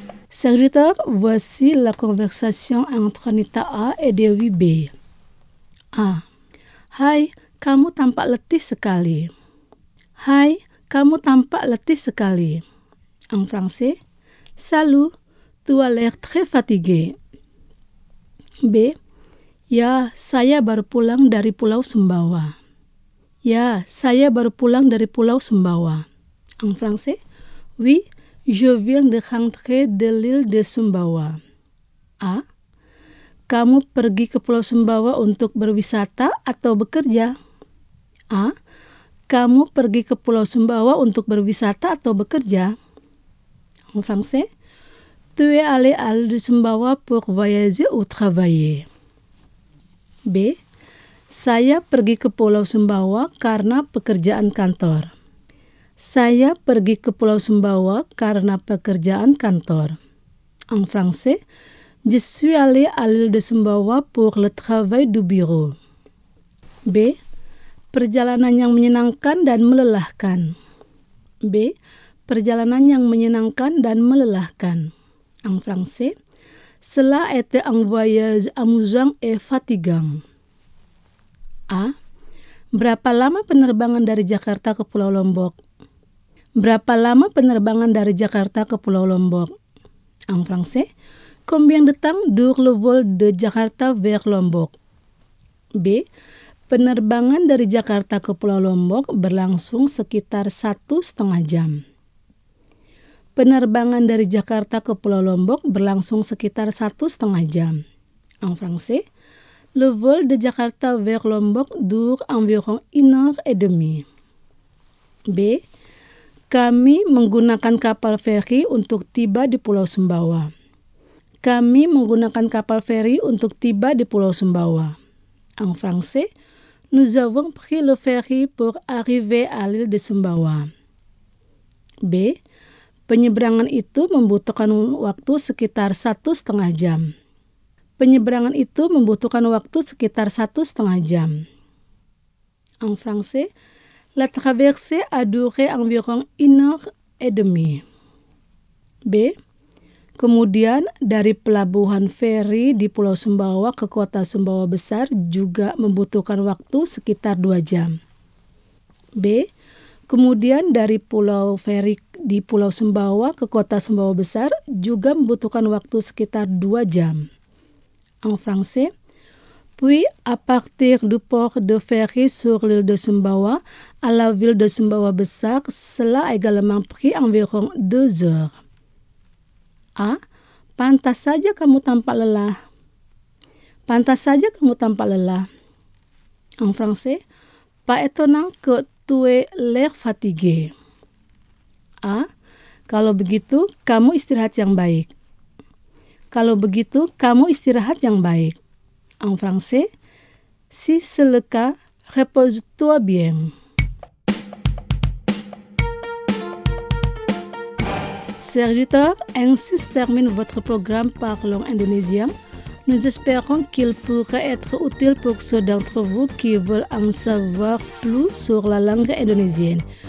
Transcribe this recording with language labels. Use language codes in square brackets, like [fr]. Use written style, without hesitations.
[fr] Serviteur, voici la conversation entre Anita A et Dewi B. A. [id] Hai, kamu tampak letih sekali. Hai, kamu tampak letih sekali. [fr] En français, salut, tu as l'air très fatigué. [id] B, ya, saya baru pulang dari Pulau Sumbawa. Ya, saya baru pulang dari Pulau Sumbawa. [fr] En français, oui, je viens de rentrer de l'île de Sumbawa. [id] A, kamu pergi ke Pulau Sumbawa untuk berwisata atau bekerja? A, kamu pergi ke Pulau Sumbawa untuk berwisata atau bekerja? [fr] En français, tu es allé à l'île de Sumbawa pour voyager ou travailler. [id] B, saya pergi ke Pulau Sumbawa karena pekerjaan kantor. Saya pergi ke Pulau Sumbawa karena pekerjaan kantor. [fr] En français, je suis allé à l'île de Sumbawa pour le travail du bureau. [id] B, perjalanan yang menyenangkan dan melelahkan. B, perjalanan yang menyenangkan dan melelahkan. [fr] En français, cela était un voyage amusant et fatigant. [id] A, berapa lama penerbangan dari Jakarta ke Pulau Lombok? Berapa lama penerbangan dari Jakarta ke Pulau Lombok? [fr] En français, combien de temps dure le vol de Jakarta vers Lombok? [id] B, penerbangan dari Jakarta ke Pulau Lombok berlangsung sekitar 1,5 jam. Penerbangan dari Jakarta ke Pulau Lombok berlangsung sekitar 1,5 jam. [fr] En français, le vol de Jakarta vers Lombok dure environ 1h30. [id] B, kami menggunakan kapal feri untuk tiba di Pulau Sumbawa. Kami menggunakan kapal feri untuk tiba di Pulau Sumbawa. [fr] En français, nous avons pris le ferry pour arriver à l'île de Sumbawa. [id] B, penyeberangan itu membutuhkan waktu sekitar 1,5 jam. Penyeberangan itu membutuhkan waktu sekitar 1,5 jam. [fr] En français, la traversée a duré environ 1h30. [id] B, kemudian dari pelabuhan feri di Pulau Sumbawa ke kota Sumbawa Besar juga membutuhkan waktu sekitar 2 jam. B, kemudian dari pulau feri di Pulau Sumbawa ke kota Sumbawa Besar juga membutuhkan waktu sekitar 2 jam. [fr] En français, puis à partir du port de ferry sur l'île de Sumbawa à la ville de Sumbawa Besar, cela a également pris environ 2 heures. [id] A, pantas saja kamu tampak lelah. Pantas saja kamu tampak lelah. [fr] En français, pas étonnant que tu aies l'air fatigué. [id] A, kalau begitu, kamu istirahat yang baik. Kalau begitu, kamu istirahat yang baik. [fr] En français, si c'est le cas, repose-toi bien. Chers auditeurs, ainsi se termine votre programme Parlons Indonésien. Nous espérons qu'il pourra être utile pour ceux d'entre vous qui veulent en savoir plus sur la langue indonésienne.